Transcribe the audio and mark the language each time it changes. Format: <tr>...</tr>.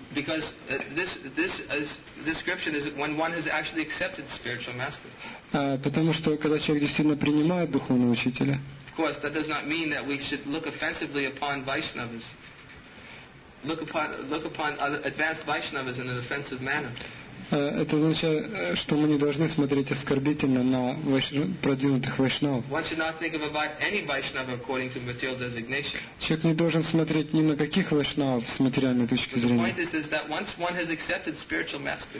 <en>Because this description is when one has actually accepted the spiritual master.</en> <ru>Потому что когда человек действительно принимает духовного учителя,</ru> <en>of course, that does not mean that we should look offensively upon Vaishnavas. look upon advanced Vaishnavas in an offensive manner.</en> <ru>Это означает, что мы не должны смотреть оскорбительно на продвинутых вайшнавов. Человек не должен смотреть ни на каких вайшнавов с материальной точки зрения.</ru>